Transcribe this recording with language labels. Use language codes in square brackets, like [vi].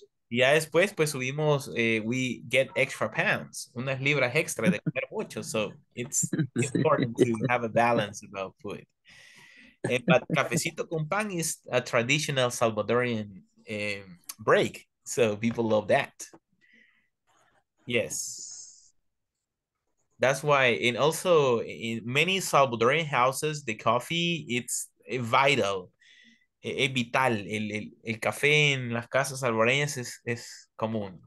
[es] Y ya después, pues subimos, [en] we get extra pounds, [es] unas libras extra de comer mucho. [en] So it's important to have a balance about food. But [es] cafecito con pan [en] is a traditional Salvadorian break. So people love that. Yes. That's why, and also in many Salvadorian houses, the coffee, it's vital. [es] Es vital. El café en las casas salvadoreñas es común.